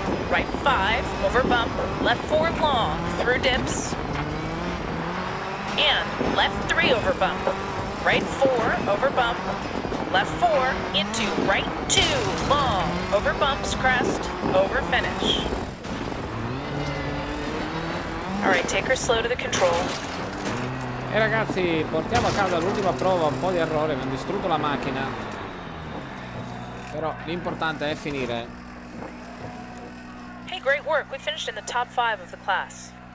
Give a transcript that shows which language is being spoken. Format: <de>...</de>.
<en>right 5, over bump, left 4 long, through dips, and left 3 over bump, right 4, over bump, left 4, into right 2, long, over bumps, crest, over finish. All right, take her slow to the control.</en> <it>E ragazzi, portiamo a casa l'ultima prova, un po' di errore, abbiamo distrutto la macchina. Però l'importante è finire.</it> <en>Hey, great work, we finished in the top 5 of the class.</en>